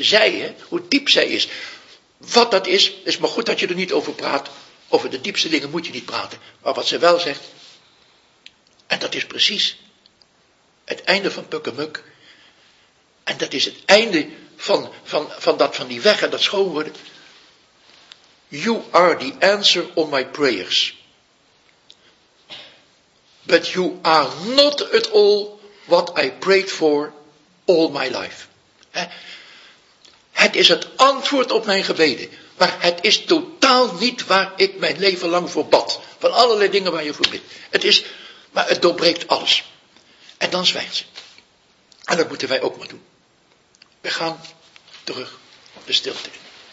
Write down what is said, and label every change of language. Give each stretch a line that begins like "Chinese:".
Dutch: Zij, hè, hoe diep zij is. Wat dat is, is maar goed dat je er niet over praat. Over de diepste dingen moet je niet praten. Maar wat ze wel zegt. En dat is precies het einde van Pukkemuk. En dat is het einde van die weg en dat schoon worden.
English: You are the answer on my prayers. But you are not at all what I prayed for all my life.
Dutch: He? Het is het antwoord op mijn gebeden. Maar het is totaal niet waar ik mijn leven lang voor bad. Van allerlei dingen waar je voor bidt. Het is, maar het doorbreekt alles. En dan zwijgt ze. En dat moeten wij ook maar doen. We gaan terug de stilte in.